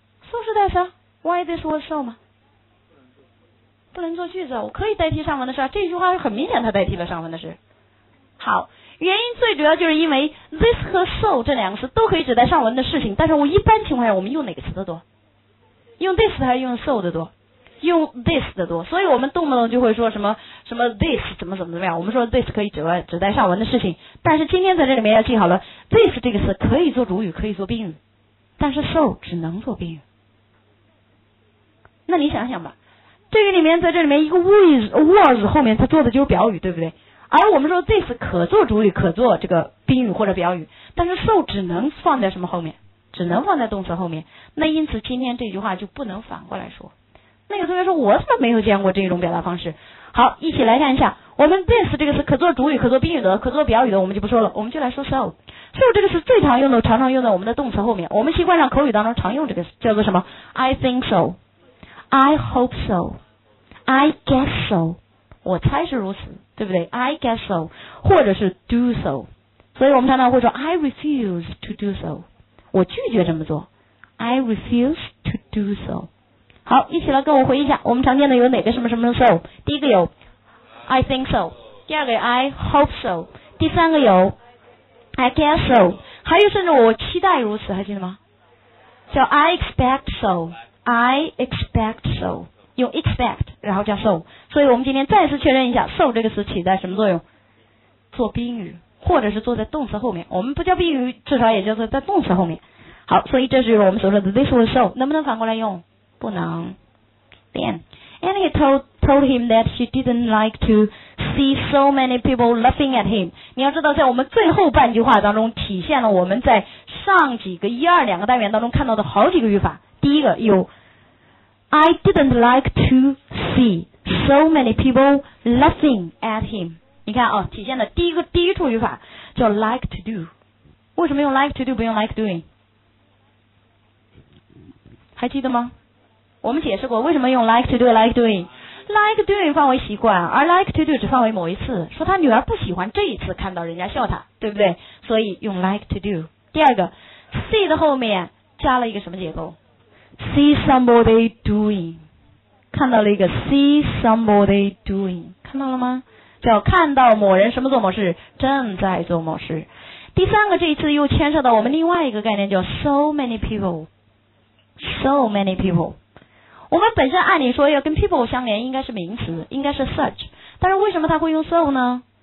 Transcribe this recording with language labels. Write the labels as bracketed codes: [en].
[zh] So 是代词啊， [en] Why this was so [zh] 吗？不能做句子，我可以代替上文的事，这句话很明显它代替了上文的事。好，原因最主要就是因为 this 和 so 这两个词都可以指代上文的事情，但是我一般情况下我们用哪个词的多？用 this 还是用 so 的多？用 this 的多。所以我们动不动就会说什么什么 this 怎么怎么怎么样，我们说 this 可以指代上文的事情，但是今天在这里面要记好了， this 这个词可以做主语，可以做宾语，但是 so 只能做宾语。那你想想吧，这个里面在这里面一个 was 后面它做的就是表语，对不对？而我们说 this 可做主语，可做这个宾语或者表语，但是 so 只能放在什么后面？只能放在动词后面。那因此今天这句话就不能反过来说。那个同学说，我怎么没有见过这种表达方式？好，一起来看一下，我们 this 这个词可做主语，可做宾语的，可做表语的我们就不说了，我们就来说 so。 so 这个词最常用的，常常用在我们的动词后面，我们习惯上口语当中常用这个叫做什么？ [en] I think so, I hope so, I guess so, [zh] 我猜是如此，对不对？ [en] I guess so, [zh] 或者是 [en] do so, [zh] 所以我们常常会说 [en] I refuse to do so, [zh] 我拒绝这么做， [en] I refuse to do so。 [zh] 好，一起来跟我回忆一下，我们常见的有哪个什么什么 so。第一个有 [en] I think so, [zh] 第二个 [en] I hope so, [zh] 第三个有 [en] I guess so, [zh] 还有甚至我期待如此，还记得吗？叫 [en] I expect so, I expect so,用 expect [zh] 然后加 [en] so。 [zh] 所以我们今天再次确认一下， so 这个词起在什么作用？做宾语，或者是做在动词后面。我们不叫宾语，至少也叫做在动词后面。好，所以这是我们所说的 [en] this was so, [zh] 能不能反过来用？不能。 [en] Then and he told him that she didn't like to see so many people laughing at him。 [zh] 你要知道，在我们最后半句话当中体现了我们在上几个一二两个单元当中看到的好几个语法。第一个有 [en] I didn't like to see so many people laughing at him。 [zh] 你看哦，体现的第一处语法叫 like to do。为什么用 like to do 不用 like doing？还记得吗？我们解释过为什么用 like to do like doing。 like doing 范围习惯，而 like to do 只范围某一次，说他女儿不喜欢这一次看到人家笑他，对不对？所以用 like to do。第二个 see 的后面加了一个什么结构？ [en] See somebody doing， [zh] 看到了一个 [en] see somebody doing， [zh] 看到了吗？叫看到某人什么做某事，正在做某事。第三个，这一次又牵涉到我们另外一个概念，叫 so many people， so many people。我们本身按理说要跟 people 相连，应该是名词，应该是 such， 但是为什么他会用 so 呢？